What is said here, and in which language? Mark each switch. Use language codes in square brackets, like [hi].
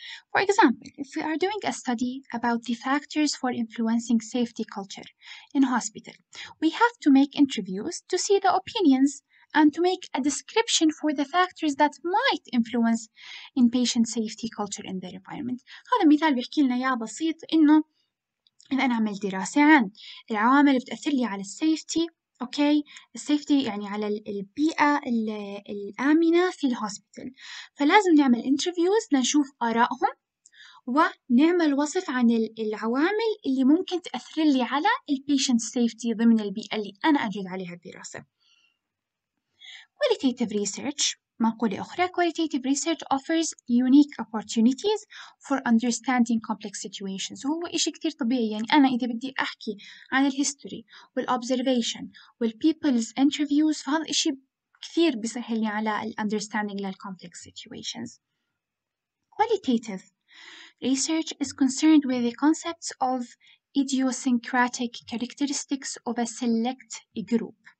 [en] For example, if we are doing a study about the factors for influencing safety culture in hospital, we have to make interviews to see the opinions and to make a description for the factors that might influence in patient safety culture in their environment. [ar] هذا مثال بيحكي لنا يا بسيط إنه إن أنا أعمل دراسة عن العوامل اللي بتأثر لي على السيفتي، أوكي السيفتي يعني على البيئة الآمنة في الهوسبيتال. فلازم نعمل انترفيوز لنشوف آرائهم ونعمل وصف عن العوامل اللي ممكن تأثر لي على البيشنت سيفتي ضمن البيئة اللي أنا أجري عليها الدراسة. [en] Qualitative research، [ar] مقولة أخرى، [en] qualitative research offers unique opportunities for understanding complex situations. [ar] هو إشي كتير طبيعي، يعني أنا إذا بدي أحكي عن الهيستوري والobservation والpeople's interviews فهذا إشي كثير بيسهلني على الunderstanding للcomplex situations. [en] Qualitative research is concerned with the concepts of idiosyncratic characteristics of a select group.